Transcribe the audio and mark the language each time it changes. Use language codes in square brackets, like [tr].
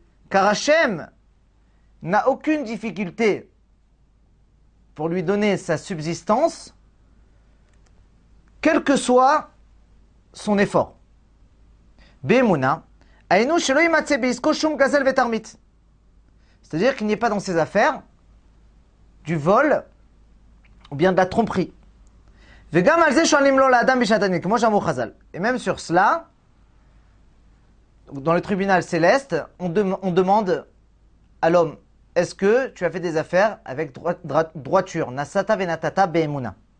[fr] Car Hashem n'a aucune difficulté pour lui donner sa subsistance, quel que soit son effort. [he] Beemuna, aynu shelo imatze b'isko shum gazel v'tarmit. [fr] C'est-à-dire qu'il n'y ait pas dans ses affaires du vol ou bien de la tromperie. [he] וגם על זה שואלים לו לאדם בשעת הדין, כמו שאמרו חז"ל. [fr] Et même sur cela, dans le tribunal céleste, on demande à l'homme, est-ce que tu as fait des affaires avec droiture, [he] nasata venatata be'emuna.